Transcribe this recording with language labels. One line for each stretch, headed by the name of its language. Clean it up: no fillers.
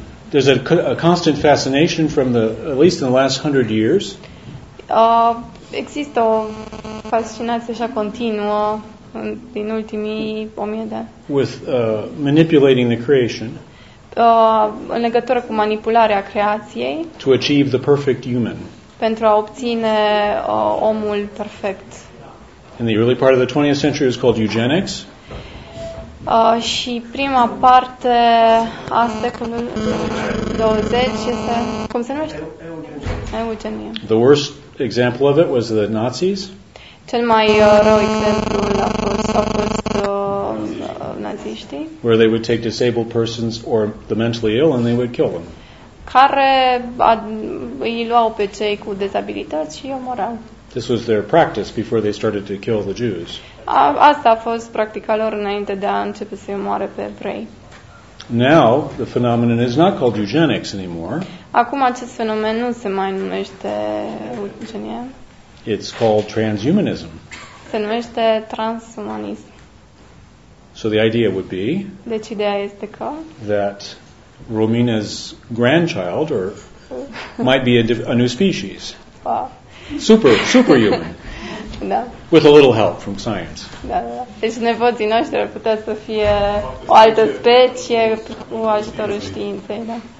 English: there's a constant fascination from the, at least in the last 100 years.
Romanian: Există o fascinație așa continuă din ultimii 1000 de ani.
English: With manipulating the creation.
Romanian: În legătură cu manipularea creației.
English: To achieve the perfect human.
Romanian: Pentru a obține omul perfect.
English: In the early part of the 20th century it was called eugenics.
Romanian: Și prima parte a secolului 20 este, cum se numește? Eugenie.
English: The worst example of it was the Nazis.
Romanian: Cel mai rău exemplu a fost, naziștii.
English: Where they would take disabled persons or the mentally ill and they would kill them.
Romanian: Care îi luau pe cei cu dezabilități și omorau.
English: This was their practice before they started to kill the Jews.
Romanian: Asta a fost practica lor înainte de a începe să-i omoare pe evrei.
English: Now, the phenomenon is not called eugenics anymore.
Romanian: Acum acest fenomen nu se mai numește eugenie.
English: It's called transhumanism.
Romanian: Se numește transumanism.
English: So the idea would be,
Romanian: deci ideea este că,
English: that Romina's grandchild or might be a new species. Superhuman.
Romanian: Da.
English: With a little help from science.
Romanian: Da, da. Deci nepoții noștri ar putea să fie o altă specie cu ajutorul științei, da.